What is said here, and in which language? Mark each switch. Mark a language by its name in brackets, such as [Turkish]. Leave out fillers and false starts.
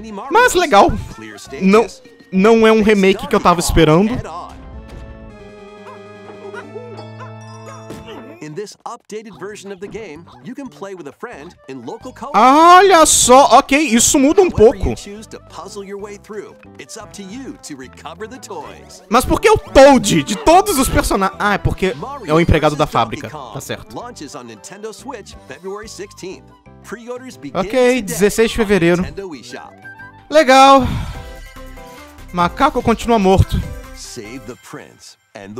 [Portuguese] Mas legal. Não é um remake que eu tava esperando. [English] this updated version of the game, you can play with a friend in local co-op. [Portuguese] Olha só, ok, isso muda um pouco. [English] However you choose to puzzle your way through, it's up to you to recover the toys. [Portuguese] Mas por que o Toad de todos os personagens? Ah, é porque é o empregado da fábrica. Tá certo. [English] Launches on Nintendo Switch February 16th. Pre-orders begin today. [Portuguese] Ok, 16 de fevereiro. Legal. Macaco continua morto. [English] Save the prince and the